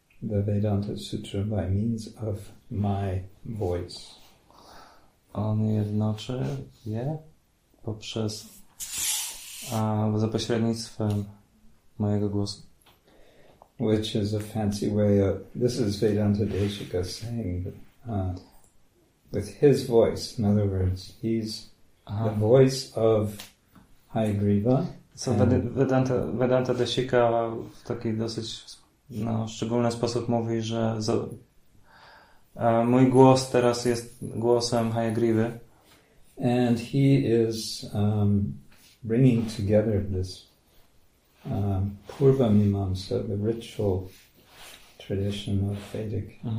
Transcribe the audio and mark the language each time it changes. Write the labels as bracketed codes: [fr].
[en] The Vedanta Sutra by means of my voice. [pl] On jednoczy je poprzez za pośrednictwem mojego głosu. [en] Which is a fancy way of, this is Vedanta Deshika saying, with his voice, in other words, he's the voice of Hayagriva. [pl] So Vedanta Deshika w taki dosyć szczególny sposób mówi, że mój głos teraz jest głosem Hayagriwy. [en] And he is bringing together this Purva Mimamsa, the ritual tradition of Vedic.